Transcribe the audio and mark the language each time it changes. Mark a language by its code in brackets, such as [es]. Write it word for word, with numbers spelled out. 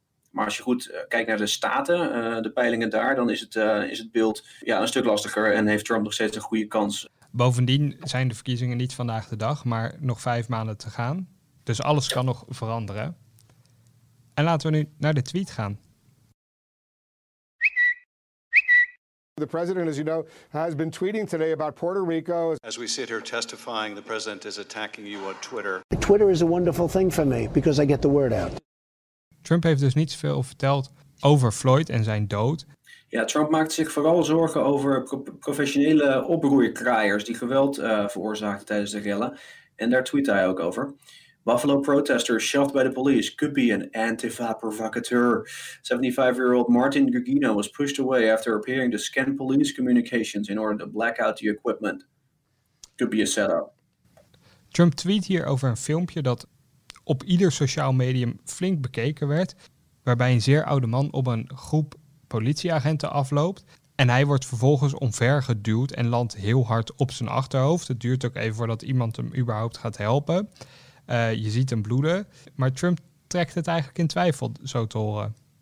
[nl] Maar als je goed kijkt naar de staten, uh, de peilingen daar, dan is het, uh, is het beeld ja, een stuk lastiger en heeft Trump nog steeds een goede kans. Bovendien zijn de verkiezingen niet vandaag de dag, maar nog vijf maanden te gaan. Dus alles kan nog veranderen. En laten we nu naar de tweet gaan. [en] The president, as you know, has been tweeting today about Puerto Rico. As we sit here testifying, the president is attacking you on Twitter. Twitter is a wonderful thing for me because I get the word out. [nl] Trump heeft dus niet veel verteld over Floyd en zijn dood. Ja, Trump maakt zich vooral zorgen over pro- professionele oproerkraaiers die geweld uh, veroorzaakten tijdens de rellen. En daar tweet hij ook over. [en] Buffalo protesters shoved by the police could be an Antifa provocateur. seventy-five-year-old Martin Gugino was pushed away after appearing to scan police communications in order to black out the equipment. Could be a setup. [nl] Trump tweet hier over een filmpje dat op ieder sociaal medium flink bekeken werd, waarbij een zeer oude man op een groep politieagenten afloopt. En hij wordt vervolgens omvergeduwd en landt heel hard op zijn achterhoofd. Het duurt ook even voordat iemand hem überhaupt gaat helpen. Uh, je ziet hem bloeden, maar Trump trekt het eigenlijk in twijfel, zo te horen.